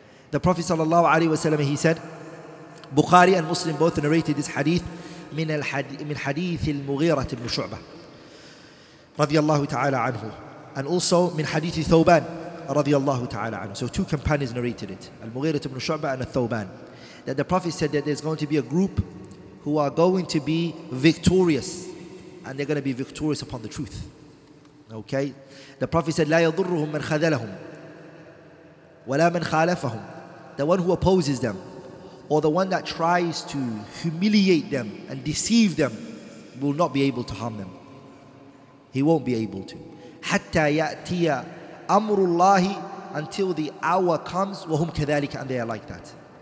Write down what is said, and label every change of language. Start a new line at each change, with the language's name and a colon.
English: The Prophet sallallahu alayhi wa sallam, he said, Bukhari and Muslim both narrated this hadith
Arabic: من حديث المغيرة بن شعبة رضي الله تعالى عنه,
English: and also
Arabic: من حديث ثوبان رضي الله تعالى عنه.
English: So two companions narrated it, المغيرة بن شعبة and الثوبان, that the Prophet said that there's going to be a group who are going to be victorious, and they're going to be victorious upon the truth. Okay? The Prophet said,
Arabic: لا يضرهم من خذلهم ولا من خالفهم.
English: The one who opposes them, or the one that tries to humiliate them and deceive them, will not be able to harm them. He won't be able to.
Arabic: حتى يأتي أمر الله,
English: until the hour comes,
Arabic: وهم كذلك,
English: and they are like that.